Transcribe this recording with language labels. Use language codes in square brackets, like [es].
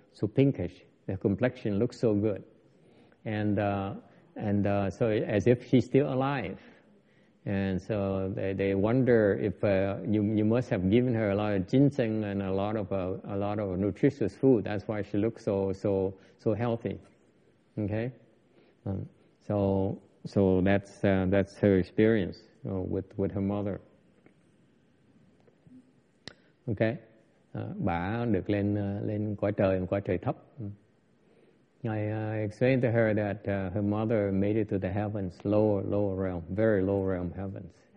[en] So pinkish, the complexion looks so good, and so as if she's still alive, and so they wonder if you must have given her a lot of ginseng and a lot of nutritious food. That's why she looks so healthy. Okay, so that's her experience with her mother. Okay. [vi] Bà được lên cõi trời thấp. [en] I explained to her that her mother made it to the heavens, lower realm, very low realm heavens.